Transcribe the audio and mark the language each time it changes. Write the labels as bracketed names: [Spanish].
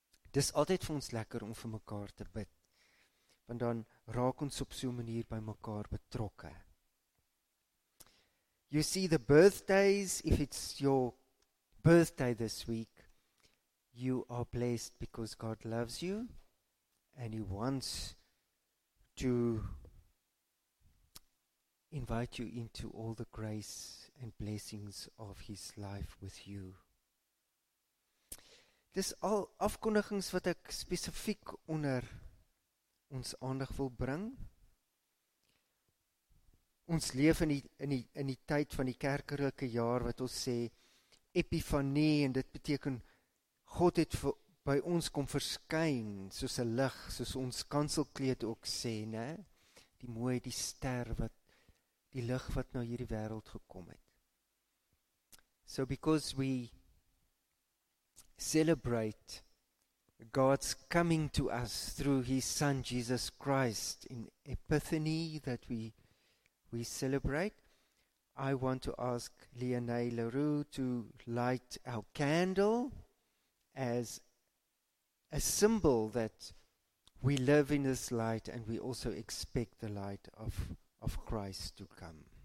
[Afrikaans] Dis altyd vir ons lekker om vir mekaar te bid, want dan raak ons op so 'n manier by mekaar betrokke. [English] You see, the birthdays, if it's your birthday this week, you are blessed because God loves you and He wants to invite you into all the grace and blessings of His life with you. [Afrikaans] Dis al afkondigings wat ek spesifiek onder ons aandag wil bring. Ons leef in die tyd van die kerkelike jaar wat ons sê epifanie, en dit beteken God het by ons kom verskyn soos 'n lig, soos ons kanselkleed ook sê, né? Die mooi, die ster wat die lig wat na hierdie wêreld gekom het. [English] So because we celebrate God's coming to us through His Son Jesus Christ in Epiphany that we celebrate, I want to ask Leonie LaRue to light our candle as a symbol that we live in this light and we also expect the light of Christ to come.